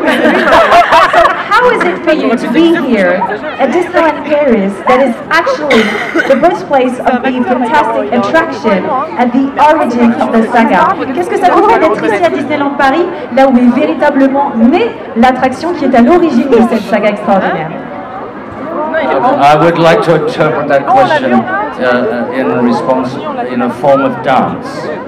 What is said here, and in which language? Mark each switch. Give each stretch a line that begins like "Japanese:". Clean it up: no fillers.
English: So how is it for you to be here at Disneyland Paris, that is actually the birthplace of the fantastic attraction and the origin of the saga?
French: Qu'est-ce que ça vous fait d'être ici à Disneyland Paris, là où est véritablement née l'attraction qui est à l'origine de cette saga extraordinaire?
English: I would like to interpret that question in response in a form of dance.